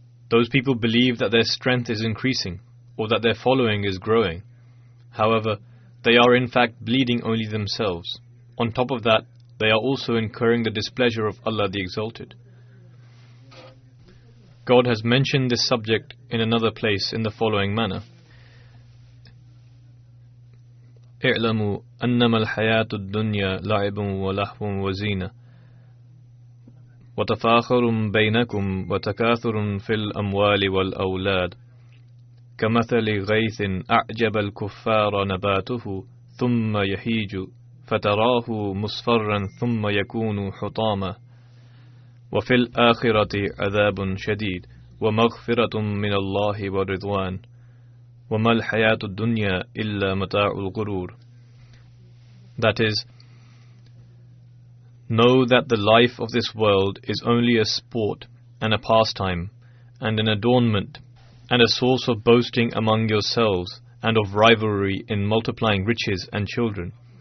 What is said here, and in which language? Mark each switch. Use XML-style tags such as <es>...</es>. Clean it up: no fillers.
<en>Those people believe that their strength is increasing or that their following is growing. However, they are in fact bleeding only themselves. On top of that, they are also incurring the displeasure of Allah the Exalted. God has mentioned this subject in another place in the following manner.</en> <ar>اعلموا أنما الحياة الدنيا لعب ولهو وزينة وتفاخر بينكم وتكاثر في الأموال والأولاد كمثل غيث أعجب الكفار نباته ثم يهيج فتراه مصفرا ثم يكون حطاما وفي الآخرة عذاب شديد ومغفرة من الله ورضوان وما الحياة الدنيا إلا متاع الغرور.</ar> <en>That is, know that the life of this world is only a sport and a pastime and an adornment and a source of boasting among yourselves and of rivalry in multiplying riches and children.</en>